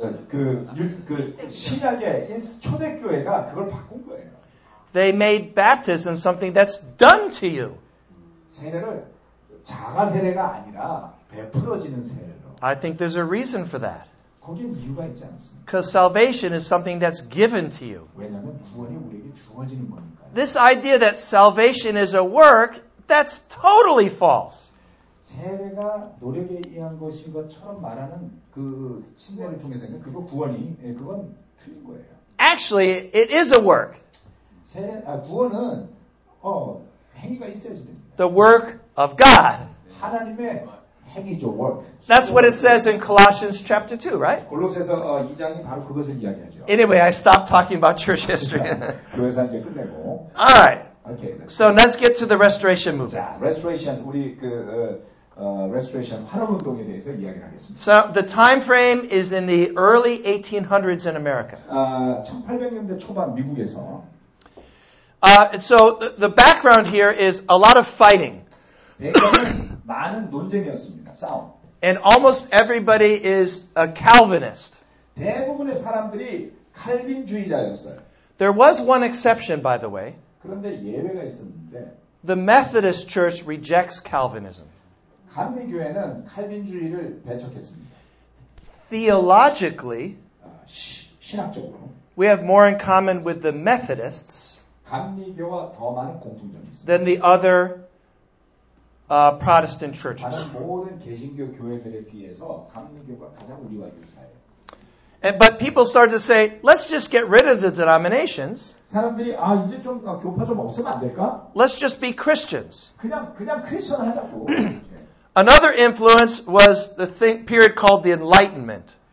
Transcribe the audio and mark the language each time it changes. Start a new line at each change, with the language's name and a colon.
Korean: 그 신약의 초대교회가 그걸 바꾼 거예요.
English: They made baptism something that's done to you.
Korean: 세례를 자가 세례가 아니라 베풀어지는 세례로.
English: I think there's a reason for that.
Korean: 거긴 이유가 있지 않습니까?
English: Because salvation is something that's given to you.
Korean: 왜냐하면 구원이 우리에게 주어지는 거니까.
English: This idea that salvation is a work, that's totally false.
Korean: 세례가 노력에 의한 것인 것처럼 말하는 그 침례를 통해서는 그거 구원이 그건 틀린 거예요.
English: Actually, it is a work.
Korean: 세례, 아, 구원은 행위가 있어야지 됩니다.
English: The work of God.
Korean: 하나님의 행위죠, work.
English: That's what it says in Colossians chapter 2, right?
Korean: 골로새서 2장이 바로 그것을 이야기하죠.
English: Anyway, I stopped talking about church history.
Korean: 교회사 이제 끝내고.
English: All right. Okay. So let's get to the restoration movement.
Korean: 자, restoration 우리 그 restoration 환원 운동에 대해서 이야기를 하겠습니다.
English: So the time frame is in the early 1800s in America.
Korean: 1800년대 초반 미국에서.
English: So the background here is a lot of fighting.
Korean: 많은 논쟁이었습니다. 싸움.
English: And almost everybody is a Calvinist.
Korean: 대부분의 사람들이 칼빈주의자였어요.
English: There was one exception, by the way.
Korean: 그런데 예외가 있었는데.
English: The Methodist Church rejects Calvinism.
Korean: 감리교회는 칼빈주의를 배척했습니다.
English: Theologically,
Korean: 신학적으로,
English: we have more in common with the Methodists.
Korean: 감리교와 더 많은 공통점이 있어요.
English: Than the other Protestant churches.
Korean: 다른 모든 개신교 교회들에 비해서 감리교가 가장 우리와 유사해요.
English: But people started to say, let's just get rid of the denominations.
Korean: 사람들이, 아, 이제 좀, 아, 교파 좀 없으면 안 될까?
English: Let's just be Christians.
Korean: 그냥 크리스천 하자고.
English: Another influence was the period called the Enlightenment.